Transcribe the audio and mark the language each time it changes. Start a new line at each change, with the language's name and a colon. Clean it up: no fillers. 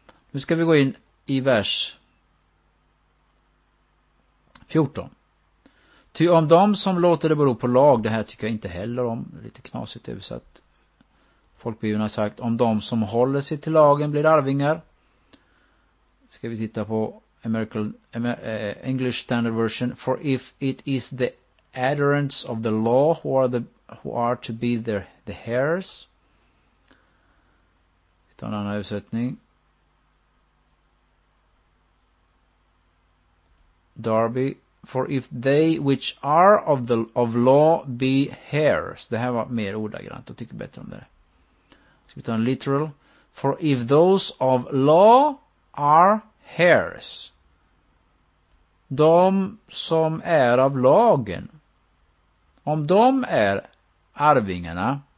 Swedish: Nu ska vi gå in i vers 14. Ty om de som låter det bero på lag, det här tycker jag inte heller om, lite knasigt översatt. Folkbibeln har sagt, om de som håller sig till lagen blir arvingar. Ska vi titta på English Standard Version.
English: For if it is the adherents of the law who are to be the heirs.
Swedish: Vi tar en annan översättning. Darby.
English: For if they which are of law be heirs.
Swedish: Det här var mer ordagrant. Jag tycker bättre om det. Ska vi ta en literal.
English: For if those of law are heirs.
Swedish: De som är av lagen. Om de är arvingarna.